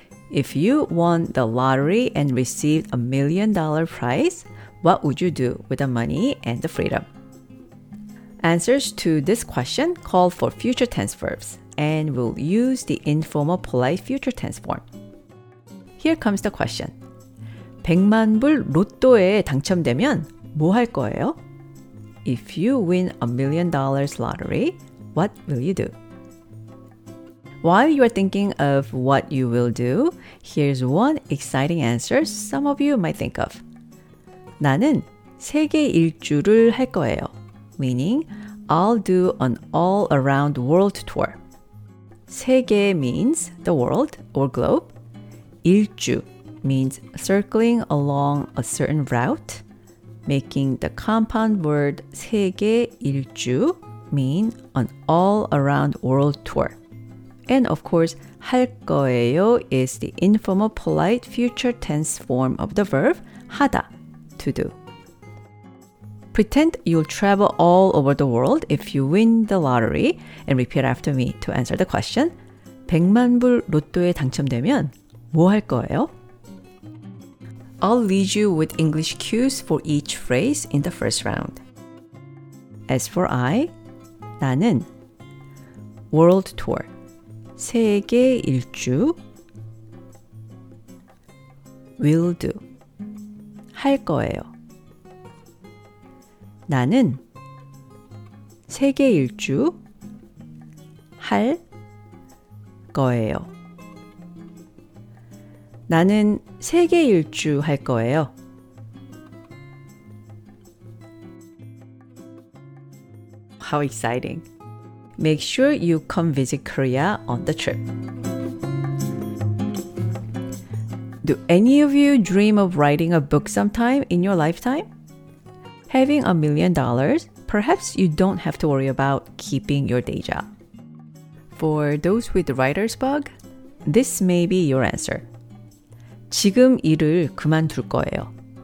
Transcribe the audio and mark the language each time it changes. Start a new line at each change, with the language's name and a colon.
English: If you won the lottery and received $1 million prize, what would you do with the money and the freedom? Answers to this question call for future tense verbs, and we'll use the informal polite future tense form. Here comes the question.
Korean: 100만 불 로또에 당첨되면 뭐 할 거예요?
English: If you win $1 million lottery, what will you do? While you are thinking of what you will do, here's one exciting answer some of you might think of.
Korean: 나는 세계 일주를 할 거예요.
English: Meaning, I'll do an all-around world tour. 세계 means the world or globe. 일주 means circling along a certain route, making the compound word 세계 일주 mean an all-around world tour. And of course, 할 거예요 is the informal polite future tense form of the verb 하다, to do. Pretend you'll travel all over the world if you win the lottery and repeat after me to answer the question.
Korean: 100만 불 로또에 당첨되면 뭐 할 거예요?
English: I'll lead you with English cues for each phrase in the first round. As for I,
Korean: 나는
English: world tour,
Korean: 세계 일주,
English: will do,
Korean: 할 거예요. 나는 세계 일주 할 거예요. 나는 세계 일주 할 거예요.
English: How exciting! Make sure you come visit Korea on the trip. Do any of you dream of writing a book sometime in your lifetime? Having $1 million, perhaps you don't have to worry about keeping your day job. For those with writer's bug, this may be your answer.
Korean: 지금 일을 그만둘 거예요.